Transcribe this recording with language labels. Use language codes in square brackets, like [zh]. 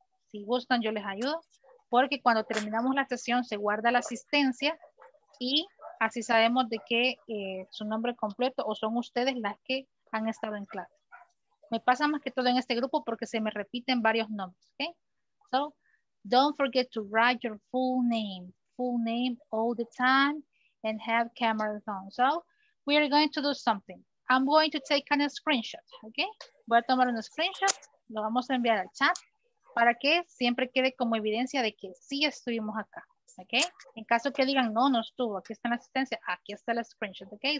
[es] Si gustan, yo les ayudo. Porque cuando terminamos la sesión, se guarda la asistencia y así sabemos de qué su nombre completo o son ustedes las que han estado en clase. Me pasa más que todo en este grupo porque se me repiten varios nombres, ¿ok? [en] So, don't forget to write your full name all the time and have cameras on. So we are going to do something. I'm going to take a screenshot, okay? [es] Voy a tomar un screenshot, lo vamos a enviar al chat para que siempre quede como evidencia de que sí estuvimos acá, okay? En caso que digan, no estuvo, aquí está la asistencia, aquí está el screenshot, okay?